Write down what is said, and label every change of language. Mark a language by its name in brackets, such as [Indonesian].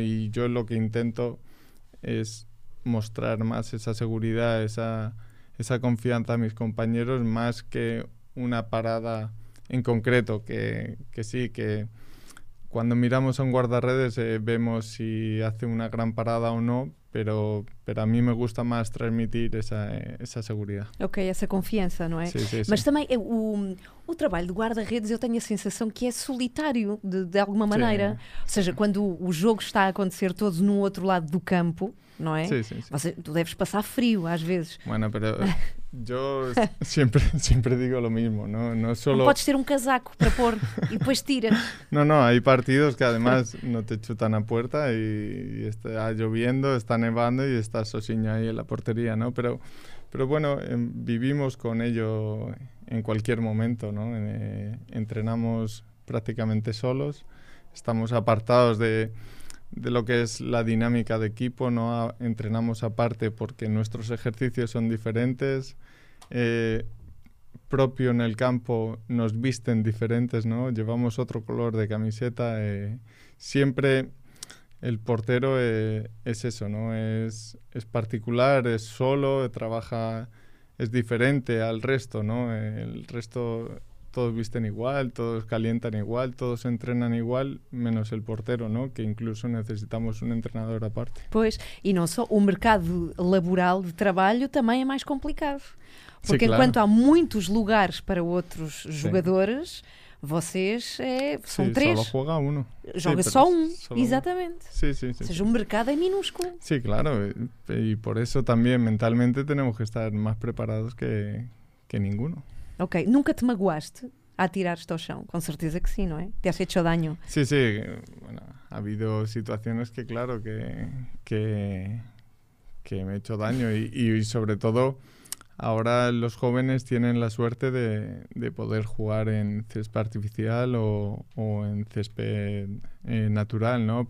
[Spanish] Y yo lo que intento es mostrar más esa seguridad, esa confianza a mis compañeros, más que una parada en concreto, que sí, que cuando miramos a un guardarredes vemos si hace una gran parada o no, Pero a mí me gusta más transmitir esa seguridad. [Portuguese] Ok, essa confiança, não é? Sim, sim, sim. Mas também o trabalho de guarda-redes, eu tenho a sensação que é solitário, de alguma maneira. Sim. Ou seja, sim, quando o jogo está a acontecer todo no outro lado do campo, não é? Sim, sim, sim. Você, tu deves passar frio, às vezes. [Spanish] Bueno, pero yo siempre digo lo mismo, ¿no? No solo... [Portuguese] Não podes ter um casaco para pôr e depois tira. Não, não, há partidos que, [Spanish] además, [Portuguese] não te chutam a puerta e está [Spanish] lloviendo, [Portuguese] está [Spanish] nevando [Portuguese] e está sozinho aí na portería, ¿no? [Spanish] Pero bueno, vivimos con ello en cualquier momento, ¿no? Entrenamos prácticamente solos, estamos apartados de lo que es la dinámica de equipo, no entrenamos aparte porque nuestros ejercicios son diferentes, propio en el campo nos visten diferentes, ¿no? Llevamos otro color de camiseta, siempre el portero es eso, ¿no? Es particular, es solo, trabaja, es diferente al resto, ¿no? El resto todos visten igual, todos calientan igual, todos entrenan igual, menos el portero, ¿no? Que incluso necesitamos un entrenador aparte. Pues, y no solo, el mercado laboral de trabajo también es más complicado. Porque sí, claro. [Portuguese] Enquanto há muitos lugares para outros jogadores, [Spanish] sí, vocês [Portuguese] são, [Spanish] sí, [Portuguese] três. [Spanish] Solo juega uno. [Portuguese] Joga, [Spanish] sí, [Portuguese] só um, [Spanish] solo... [Portuguese] exatamente. [Spanish] Sí, sí, sí. [Portuguese] Ou seja, o mercado é minúsculo. [Spanish] Sí, claro. Y por eso también mentalmente tenemos que estar más preparados que ninguno. [Portuguese] Ok, nunca te magoaste a atirar-te ao chão? Com certeza que sim, não é? [Spanish] Te has hecho daño? Sim, sí, sim. Sí. Bueno, ha habido [Portuguese] situações [Spanish] que, claro, que me he hecho daño. [Portuguese] E sobre todo, agora os jovens têm a [Spanish] suerte [Portuguese] de poder jogar em césped artificial ou em césped natural, não?